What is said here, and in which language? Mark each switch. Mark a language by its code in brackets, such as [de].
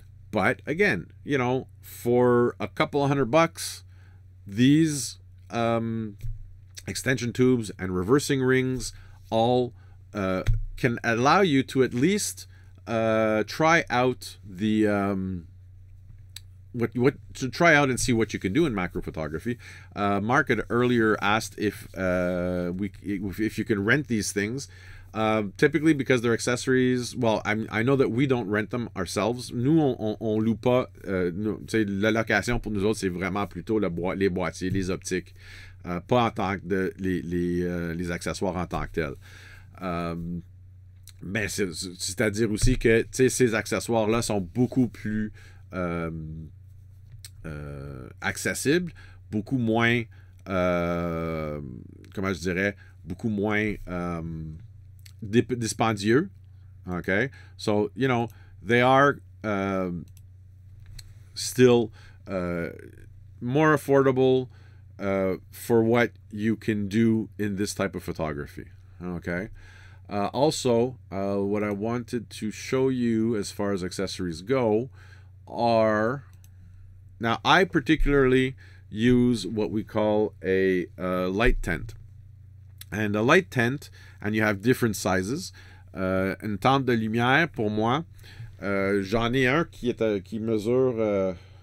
[en] But again, you know, for a couple of $100, these extension tubes and reversing rings all can allow you to at least try out the what to try out and see what you can do in macro photography. Mark had earlier asked if you can rent these things. Typically, because they're accessories, well, I know that we don't rent them ourselves. [fr] Nous, on loue pas. Nous, la location pour nous autres, c'est vraiment plutôt les boîtiers, les optiques, pas en tant que de les accessoires en tant que tels. Mais c'est-à-dire aussi que ces accessoires-là sont beaucoup plus accessibles, beaucoup moins, comment je dirais, beaucoup moins dispendieux, okay? [en] So, you know, they are still more affordable for what you can do in this type of photography, okay? Also, what I wanted to show you as far as accessories go are, now I particularly use what we call a light tent. And a light tent, and you have different sizes. [fr] Une tente de lumière, pour moi, j'en ai un qui mesure